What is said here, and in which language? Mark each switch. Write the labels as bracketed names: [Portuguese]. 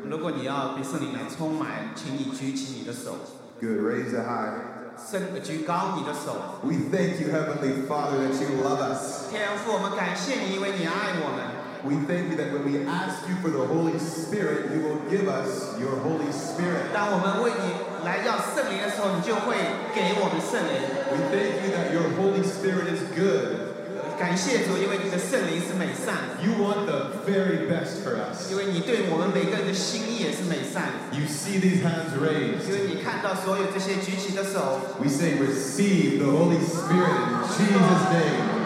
[Chinese] 如果你要被圣灵来充满，请你举起你的手。 [English] Good, raise it high. [Chinese] 举高你的手。 [English] We thank you, Heavenly Father, that you love us. [Chinese] 天父，我们感谢你，因为你爱我们。 [English] We thank you that when we ask you for the Holy Spirit, you will give us your Holy Spirit. [Chinese] 当我们为你来要圣灵的时候，你就会给我们圣灵。 [English] We thank you that your Holy Spirit is good. [Chinese] 感谢主，因为你的圣灵是美善。 [English] You want the very best for us. [Chinese] 因为你对我们每个人的心意也是美善。 [English] You see these hands raised. [Chinese] 因为你看到所有这些举起的手。 [English] We say, receive the Holy Spirit in Jesus' name.